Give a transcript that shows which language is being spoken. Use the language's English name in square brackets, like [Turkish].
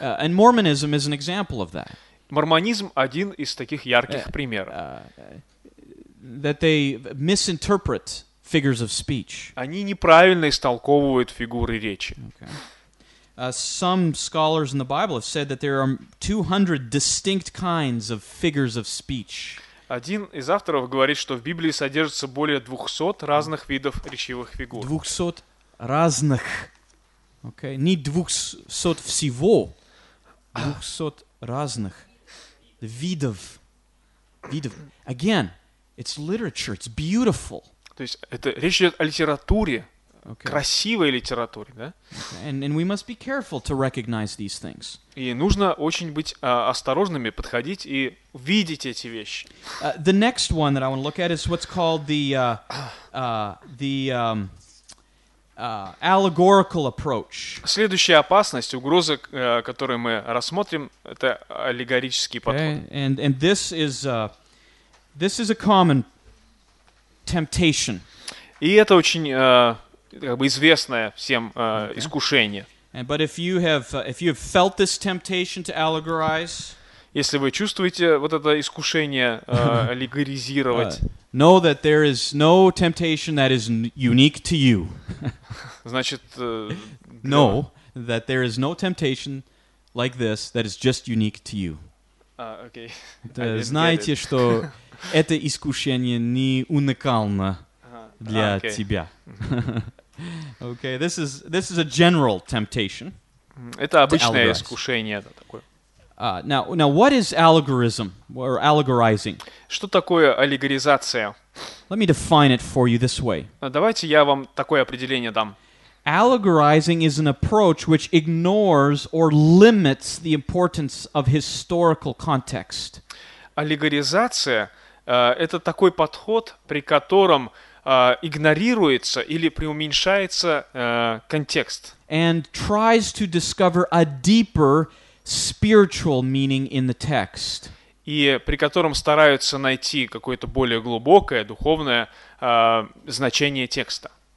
[English] And Mormonism is an example of that. [Russian] Мормонизм один из таких ярких примеров. [English] That they misinterpret figures of speech. [Russian] Они неправильно истолковывают фигуры речи. [English] Okay. Some scholars in the Bible have said that there are 200 distinct kinds of figures of speech. [Russian] Один из авторов говорит, что в Библии содержится более 200 разных видов речевых фигур. 200 разных. Okay. Не 200 всего. 200 разных. Видов. [English] Again, it's literature. It's beautiful. [Russian] То есть это речь идет о литературе. [English] Okay. [Russian] Красивой литературе, да? [English] Okay. And we must be careful to recognize these things. [Russian] И нужно очень быть осторожными, подходить и видеть эти вещи. [English] The next one that I want to look at is what's called the allegorical approach. [Russian] Следующая опасность, угроза, которую мы рассмотрим, это аллегорический подход. [English] Okay. And this is a common temptation. [Russian] И это очень как бы известное всем искушение. [English] But if you have felt this temptation to allegorize, [Russian] если вы чувствуете вот это искушение аллегоризировать, [English] know that there is no temptation that is unique to you. [Russian] Значит, [English] know that there is no temptation like this that is just unique to you. Okay. [Russian] Знаете, что это искушение не уникально для тебя. [English] Okay, this is a general temptation. [Russian] Это обычное искушение такое. [English] Now what is allegorism or allegorizing? [Russian] Что такое аллегоризация? [English] Let me define it for you this way. [Russian] Давайте я вам такое определение дам. [English] Allegorizing is an approach which ignores or limits the importance of historical context. [Russian] Аллегоризация это такой подход, при котором игнорируется или преуменьшается контекст. [English] And tries to discover a deeper spiritual meaning in the text. [Russian] И при котором стараются найти какое-то более глубокое духовное значение текста.